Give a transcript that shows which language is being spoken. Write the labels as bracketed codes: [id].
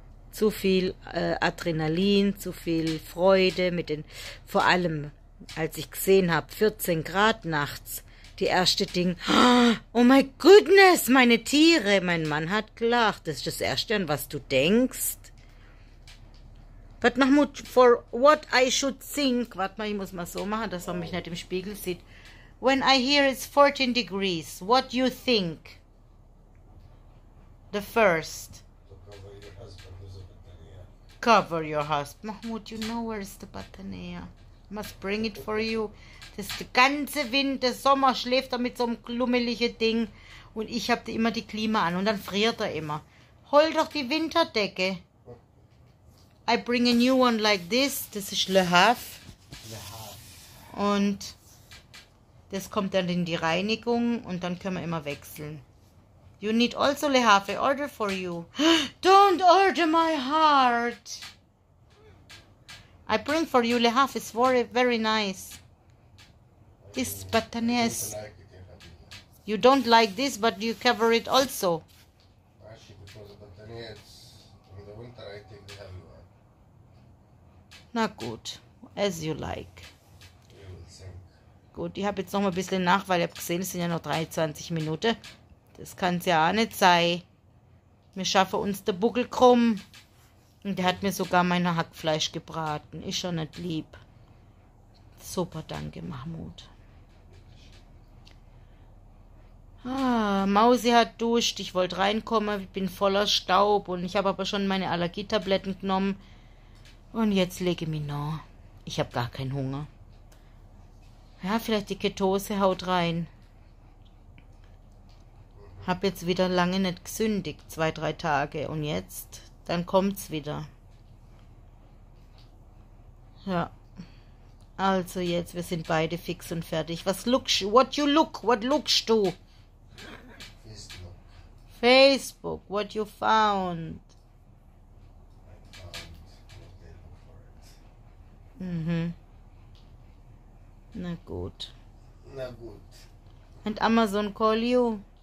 [de] Zu viel Adrenalin, zu viel Freude. Vor allem, als ich gesehen habe, 14 Grad nachts. Die erste Ding, [en] oh my goodness, [de] meine Tiere. Mein Mann hat gelacht. Das ist das Erste, an was du denkst. [en] But Mahmoud, for what I should think. [de] Warte mal, ich muss mal so machen, dass man mich nicht im Spiegel sieht. [en] When I hear it's 14 degrees, what you think? The first. Cover your husband. Mahmoud, you know where is the Batania? I must bring it for you. [de] Das ganze Winter, Sommer schläft er mit so einem klummeligen Ding. Und ich habe immer die Klima an. Und dann friert er immer. Hol doch die Winterdecke. [en] I bring a new one like this. [de] Das ist Le Havre. Und das kommt dann in die Reinigung. Und dann können wir immer wechseln. [en] You need also Le Havre. I order for you. Don't order my heart. I bring for you Le Havre. It's very, very nice. This button is, you don't like this, but you cover it also. Actually, because the button is, in the winter, I take the heavy one. [de] Na gut, [en] as you like. You will sink. [de] Gut, ich habe jetzt noch mal ein bisschen nach, weil ich habe gesehen, es sind ja noch 23 Minuten. Das kann es ja auch nicht sein. Wir schaffen uns den Buckel krumm. Und der hat mir sogar mein Hackfleisch gebraten. Ist schon nicht lieb. Super, danke, Mahmoud. Ah, Mausi hat duscht, ich wollte reinkommen, ich bin voller Staub und ich habe aber schon meine Allergietabletten genommen und jetzt lege ich mich noch. Ich habe gar keinen Hunger. Ja, vielleicht die Ketose haut rein. Hab jetzt wieder lange nicht gesündigt, 2-3 Tage und jetzt, dann kommt's wieder. Ja. Also jetzt, wir sind beide fix und fertig. [en] What lookst du? Facebook, what you found? I found what they look for it. [de] Mm-hmm. Na gut. [en] And Amazon call you?